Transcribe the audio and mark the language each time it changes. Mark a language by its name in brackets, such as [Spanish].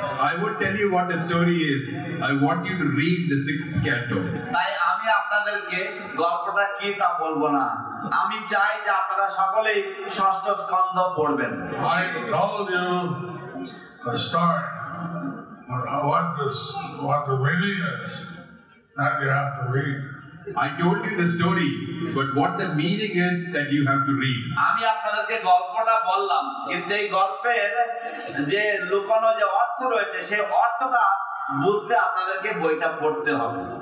[English] I won't tell you what the story is. I want you to read the sixth canto. [Bangla] তাই আমি আপনাদেরকে গল্পটা কি তা বলবো না, আমি চাই যে আপনারা সকলে ষষ্ঠ স্কন্ধ পড়বেন। [English] I told you the start or what the meaning is that you have to read. I told you the story, but what the meaning is that you have to read. [Bangla] আমি আপনাদেরকে গল্পটা বললাম, কিন্তু এই গল্পের যে লুকানো যে অর্থ রয়েছে সেই অর্থটা বুঝতে আপনাদেরকে বইটা পড়তে হবে।